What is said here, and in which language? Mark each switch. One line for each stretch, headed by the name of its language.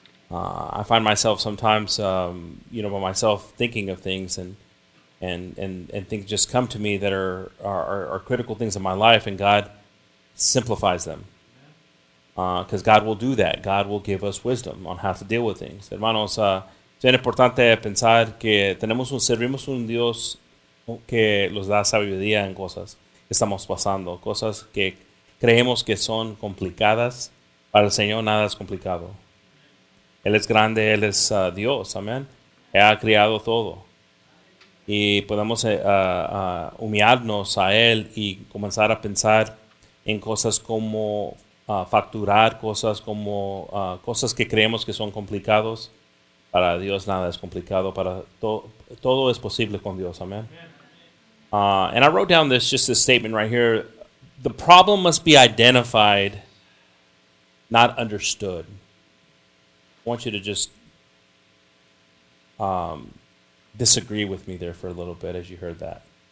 English: I find myself sometimes, by myself thinking of things and things just come to me that are critical things in my life, and God simplifies them. Because God will do that. God will give us wisdom on how to deal with things.
Spanish: Hermanos, es importante pensar que tenemos un servimos un Dios que nos da sabiduría en cosas que estamos pasando. Cosas que creemos que son complicadas. Para el Señor nada es complicado. Él es grande, Él es Dios. Amén. Él ha creado todo. Y podemos humillarnos a Él y comenzar a pensar en cosas como facturar, cosas como cosas que creemos que son complicados. Para Dios nada es complicado. Para todo es posible con Dios. Amén.
English: And I wrote down this statement right here. The problem must be identified, not understood. I want you to just disagree with me there for a little bit as you heard that.